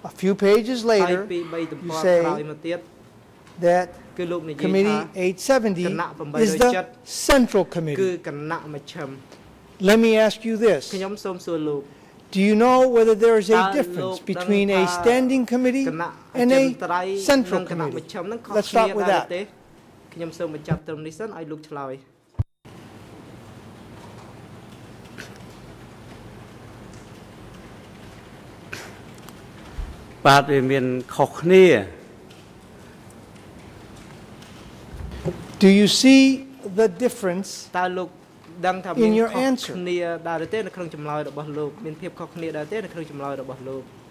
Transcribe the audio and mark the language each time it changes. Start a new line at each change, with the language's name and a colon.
English: A few pages later you say that committee 870 is the central committee
Khmer: គឺគណៈមជ្ឈិម
English: Let me ask you this
Khmer: ខ្ញុំសូមសួរលោក
English: Do you know whether there is a difference between a standing committee and a central committee Let's start with that
Khmer: ខ្ញុំសូមបញ្ចប់ត្រឹមនេះសិនឲ្យលោកឆ្លើយ បាទវាមានខុសគ្នា
English: Do you see the difference?
Khmer: តើលោកដឹងថាមានខុសគ្នាដែរទេនៅក្នុងចម្លើយរបស់លោកមានភាពខុសគ្នាដែរទេនៅក្នុងចម្លើយរបស់លោក